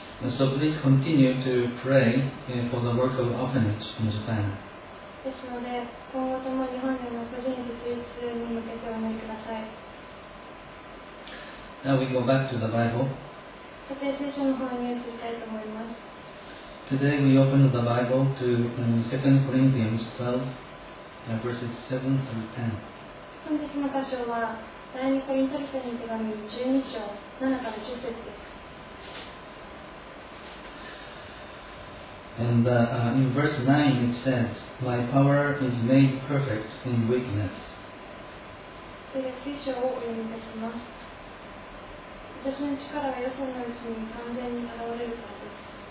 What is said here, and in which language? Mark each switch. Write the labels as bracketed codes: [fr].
[en] So please continue to pray for the work of orphanage in Japan. [ja] ですので、今後とも日本での個人設立に向けてお祈りください。 [en] Now we go back to the Bible. [ja] さて、聖書の方に移りたいと思います。 [en] Today we open the Bible to 2 Corinthians 12, verses 7 through 10. [ja] 本日の箇所は、第2コリントの手紙12章、7から10節です。 [en] And in verse 9 it says, My power is made perfect in weakness. [ja] 9章をお読みいたします。私の力は弱さのうちに完全に現れるからです。